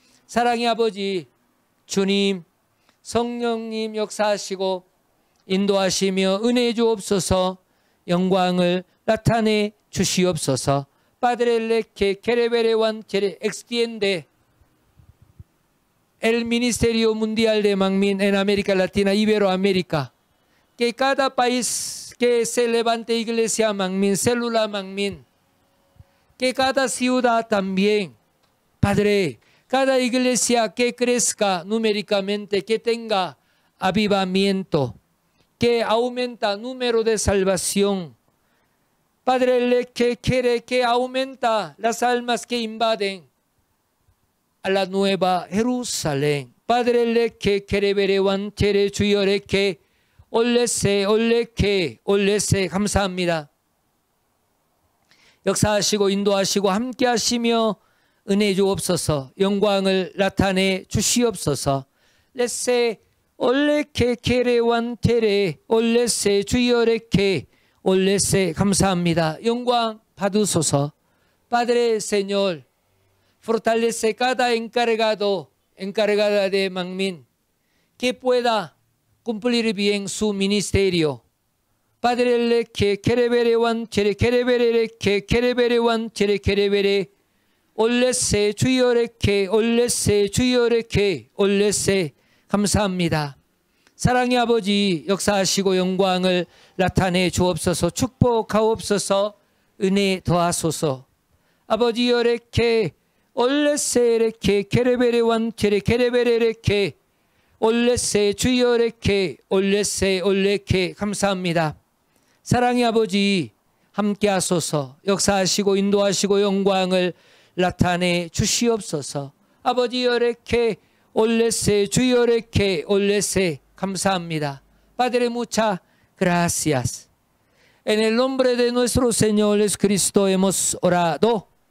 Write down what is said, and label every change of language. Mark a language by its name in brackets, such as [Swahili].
[Korean] 사랑의 아버지, 주님, 성령님 역사하시고 인도하시며 은혜 주옵소서, 영광을 나타내 주시옵소서. [Spanish] Padre, le que quiere ver, quiere extiende el Ministerio Mundial de Mangmin en América Latina, Iberoamérica. Que cada país que se levante Iglesia Mangmin, Célula Mangmin, que cada ciudad también, Padre, cada iglesia que crezca numéricamente, que tenga avivamiento, que aumenta número de salvación. Padre, le que quiere que aumenta las almas que invaden a la nueva Jerusalén. Padre, le que quiere ver, quiere chuyore que olese, ole que olese, 감사합니다. [Korean] 역사하시고 인도하시고 함께하시며 은혜 주옵소서, 영광을 나타내 주시옵소서. 레세 올레케 케레완테레 올레세 주여레케 올레세, 감사합니다. 영광 받으소서. [Spanish] Padre Señor, fortalece cada encargado, encargada de Mangmin, que pueda cumplir bien su ministerio. Padre leke kereberewantere kereberereke kereberewantere kerebere Olese, chuyoreke, olese, chuyoreke, olese, 감사합니다. [Korean] 사랑의 아버지, 역사하시고 영광을 나타내 주옵소서, 축복하옵소서, 은혜 더하소서. 아버지, 요레케, 올레세, 레케, 케레베레, 완케레, 케레베레, 레케, 올레세, 주요레케, 올레세, 올레케, 감사합니다. 사랑의 아버지, 함께하소서, 역사하시고 인도하시고 영광을 나타내 주시옵소서. 아버지 요렇게 올레세, 주 요렇게 올레세, 감사합니다. [Spanish] Padre, muchas gracias. En el nombre de nuestro Señor Jesucristo hemos orado.